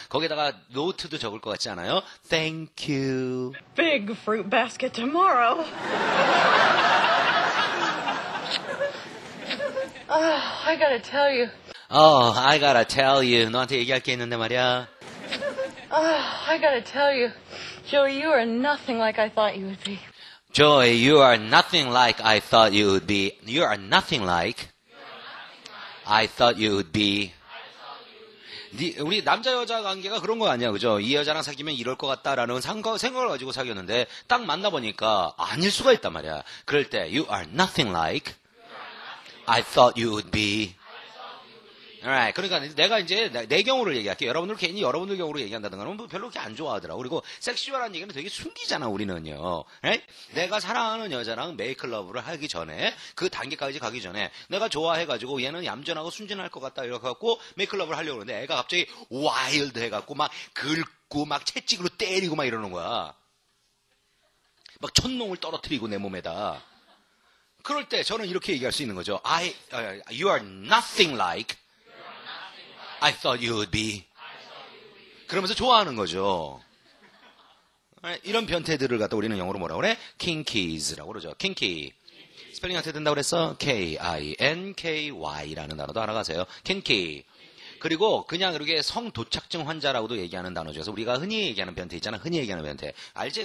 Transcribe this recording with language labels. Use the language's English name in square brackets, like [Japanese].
[Korean] 거기다가 노트도 적을 것 같지 않아요? [English] Thank you. Big fruit basket tomorrow. I gotta tell you. I gotta tell you. [Korean] 너한테 얘기할 게 있는데 말이야. [English] I gotta tell you. Joey, you are nothing like I thought you would be. Joey, you are nothing like I thought you would be. You are nothing like I thought you would be. [Korean] 우리 남자 여자 관계가 그런 거 아니야, 그죠? 이 여자랑 사귀면 이럴 것 같다라는 생각을 가지고 사귀었는데 딱 만나 보니까 아닐 수가 있단 말이야. 그럴 때 [English] you are nothing like I thought you would be. [Korean] Alright, 그러니까 내가 이제 내 경우를 얘기할게. 여러분들 괜히 여러분들 경우로 얘기한다든가 별로 그렇게 안 좋아하더라. 그리고 섹슈얼한 얘기는 되게 숨기잖아 우리는요. [English] Right? [Korean] 내가 사랑하는 여자랑 메이크러브를 하기 전에 그 단계까지 가기 전에 내가 좋아해가지고 얘는 얌전하고 순진할 것 같다 이렇게 갖고 메이크러브를 하려고 그러는데 애가 갑자기 와일드 해갖고 막 긁고 막 채찍으로 때리고 막 이러는 거야. 막 천농을 떨어뜨리고 내 몸에다. 그럴 때 저는 이렇게 얘기할 수 있는 거죠. [English] You are nothing like I thought you would be. [Korean] 그러면서 좋아하는 거죠. 이런 변태들을 갖다 우리는 영어로 뭐라 그래? Kinkies라고 그러죠. Kinky. 스펠링 어떻게 된다고 그랬어? K-I-N-K-Y라는 단어도 알아가세요. Kinky. 그리고 그냥 그렇게 성도착증 환자라고도 얘기하는 단어 중에서 우리가 흔히 얘기하는 변태 있잖아. 흔히 얘기하는 변태. 알지?